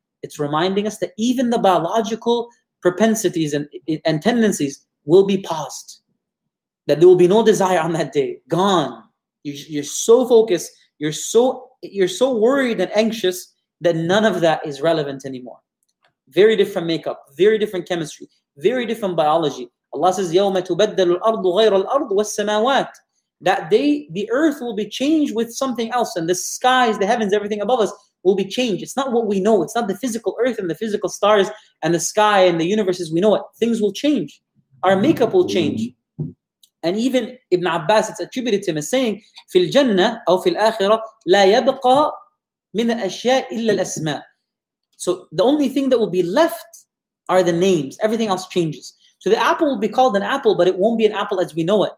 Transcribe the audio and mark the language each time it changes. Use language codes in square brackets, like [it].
[en] It's reminding us that even the biological propensities and tendencies will be paused. That there will be no desire on that day. Gone. You're so focused. You're so worried and anxious that none of that is relevant anymore. Very different makeup. Very different chemistry. Very different biology. Allah says, [ar] يَوْمَ تُبَدَّلُ الْأَرْضُ غَيْرَ الْأَرْضُ وَالسَّمَاوَاتِ. [en] That day, the earth will be changed with something else, and the skies, the heavens, everything above us will be changed. It's not what we know. It's not the physical earth and the physical stars and the sky and the universe as we know it. Things will change. Our makeup will change. And even Ibn Abbas, it's attributed to him as saying, [ar] فِي الْجَنَّةِ أَوْ فِي الْآخِرَةِ لَا يَبْقَى مِنَ الْأَشْيَاءِ إِلَّا الْأَسْمَاءِ. [en] So the only thing that will be left are the names. Everything else changes. So the apple will be called an apple, but it won't be an apple as we know it.